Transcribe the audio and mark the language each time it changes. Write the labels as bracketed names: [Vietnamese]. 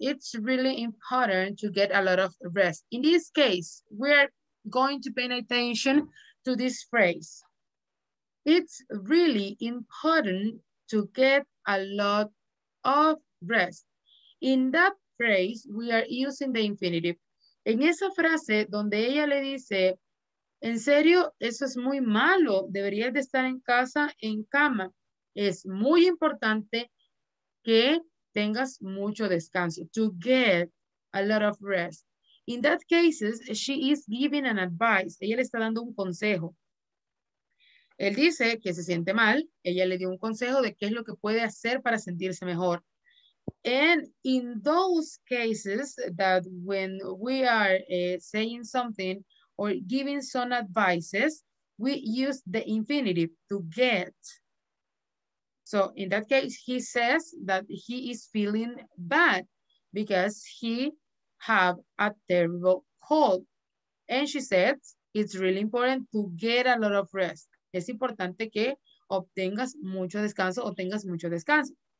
[English] It's really important to get a lot of rest. In this case, we're going to pay attention to this phrase. It's really important to get a lot of rest. In that phrase, we are using the infinitive. [Spanish] En esa frase donde ella le dice, en serio, eso es muy malo, deberías de estar en casa, en cama, es muy importante que tengas mucho descanso, [English] to get a lot of rest. In that case, she is giving an advice, [Spanish] ella le está dando un consejo. Él dice que se siente mal, ella le dio un consejo de qué es lo que puede hacer para sentirse mejor. [English] And in those cases that when we are saying something or giving some advices, we use the infinitive to get. So in that case, he says that he is feeling bad because he have a terrible cold. And she said, it's really important to get a lot of rest. [Spanish] Es importante que obtengas mucho descanso o tengas mucho descanso.